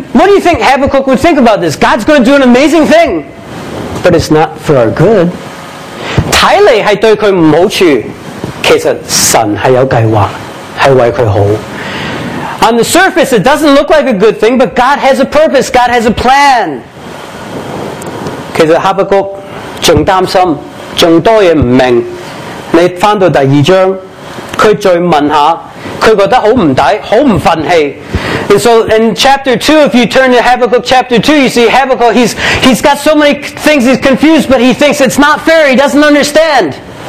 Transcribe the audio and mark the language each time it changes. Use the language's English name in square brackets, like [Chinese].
[English] what do you think Habakkuk would think about this? God's gonna do an amazing thing, but it's not for our good. [Chinese] 看来是对他没好处,其实神是有计划,是为他好。 [English] On the surface, it doesn't look like a good thing, but God has a purpose, God has a plan. [Chinese] 其实哈巴谷更担心,更多东西不明白,你回到第二章,他再问一下,他觉得很不值,很不忿气。 [English] And so in chapter 2, if you turn to Habakkuk chapter 2, you see Habakkuk, he's got so many things, he's confused, but he thinks it's not fair, he doesn't understand.